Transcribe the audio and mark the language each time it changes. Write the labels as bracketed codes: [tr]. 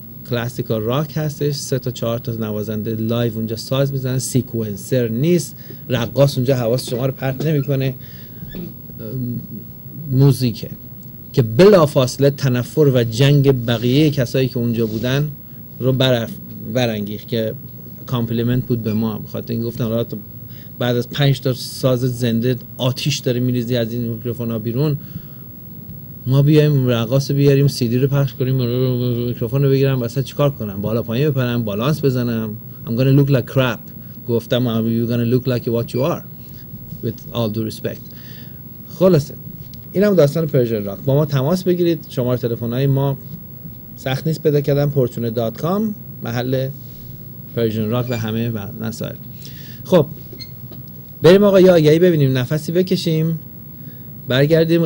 [fa] کلاسیکال راک هستش، 3 تا 4 تا نوازنده لایو اونجا ساز میزنن، سیکونسر نیست، رقاص اونجا حواس شما رو پرت نمیکنه، موزیکه که بلافاصله تنفر و جنگ بقیه کسایی که اونجا بودن رو برانگیخت، که کامپلیمنت بود به ما. بخاطر اینکه گفتن حالا تو بعد از 5 تا ساز زنده آتیش داره میریزی از این میکروفونا بیرون، ما بیایم رقاص بیاریم سی دی رو پخش کنیم، میکروفون رو بگیرم واسه چیکار کنم، بالا پایین بپرم، بالانس بزنم، [en] I'm gonna look like crap. [fa] گفتم [en] you're gonna look like what you are with all due respect. [fa] خلاصه اینم داستان پرژن راک. با ما تماس بگیرید، شماره تلفن‌های ما سخت نیست پیدا کردن، portune.com محل پرژن راک و همه مسائل. خب بریم آقا آگهی ببینیم، نفسی بکشیم برگردیم.